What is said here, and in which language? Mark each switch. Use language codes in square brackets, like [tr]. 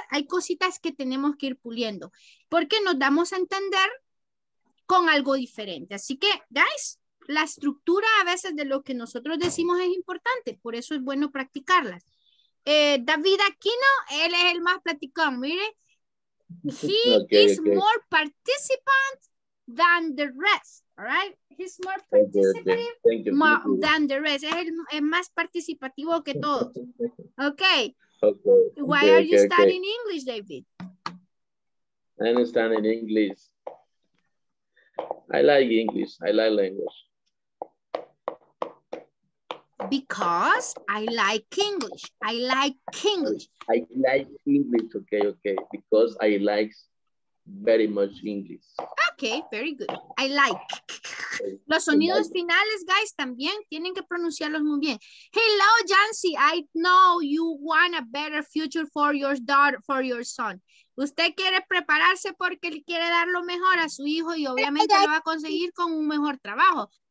[es] Hay cositas que tenemos que ir puliendo porque nos damos a entender con algo diferente. Así que, guys, la estructura a veces de lo que nosotros decimos es importante, por eso es bueno practicarla. David Aquino, él es el más platicón, mire. [en] He is more participant than the rest, all right? He's more participative than the rest. [es] Es el más participativo que todo. [en] Okay. Why are you studying English, David? I understand in English. I like English. I like language. Because I like English. I like English. I like English. Okay, okay. Because I like very much English. Okay, very good. I like. [es] Los sonidos like finales, guys, también tienen que pronunciarlos muy bien. [en] Hello, Jancy. I know you want a better future for your daughter, for your son. [es] Usted quiere prepararse porque le quiere dar lo mejor a su hijo y obviamente lo va a conseguir con un mejor trabajo.